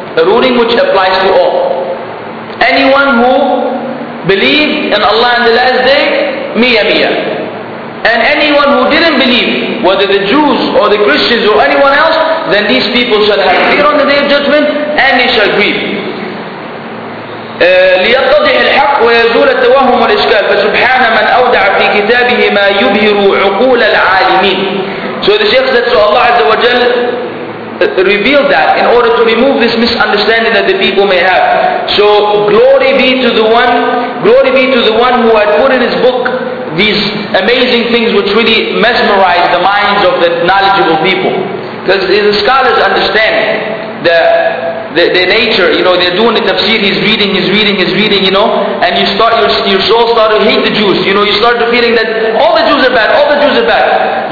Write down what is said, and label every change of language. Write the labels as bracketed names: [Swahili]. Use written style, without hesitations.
[English] A ruling which applies to all. Anyone who believed in Allah in the last day, miya miya. And anyone who didn't believe, whether the Jews or the Christians or anyone else, then these people shall have fear on the Day of Judgment and they shall grieve. [Arabic] لِيَتَّضِحِ الْحَقُّ وَيَزُولَ التَّوَهُمُ وَالْإِشْكَالِ فَسُبْحَانَ مَنْ أَوْدَعَ فِي كِتَابِهِ مَا يُبْهِرُ عُقُولَ الْعَالِمِينَ [English] So the Shaykh said, so Allah Azza wa Jal revealed that in order to remove this misunderstanding that the people may have. So glory be to the one, glory be to the one who had put in his book these amazing things which really mesmerized the minds of the knowledgeable people. Because the scholars understand the nature, you know, they're doing the tafsir, he's reading, you know, and you start, your soul start to hate the Jews, you know, you start to feeling that all the Jews are bad.